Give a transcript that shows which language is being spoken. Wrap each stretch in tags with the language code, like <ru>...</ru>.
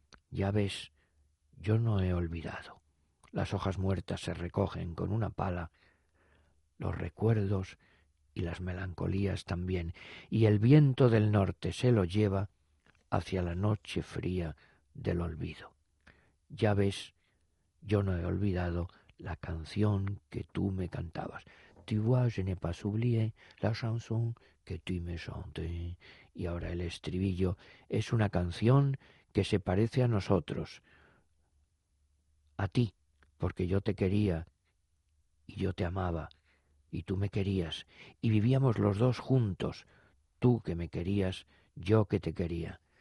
<es>Ya ves, yo no he olvidado. Las hojas muertas se recogen con una pala, los recuerdos y las melancolías también, y el viento del norte se lo lleva hacia la noche fría del olvido. Ya ves, yo no he olvidado la canción que tú me cantabas.</es> <fr>Tu vois, je n'ai pas oublié la chanson que tu me chantais.</fr> <es>Y ahora el estribillo es una canción que se parece a nosotros, a ti, porque yo te quería y yo te amaba y tú me querías y vivíamos los dos juntos, tú que me querías, yo que te quería.</es>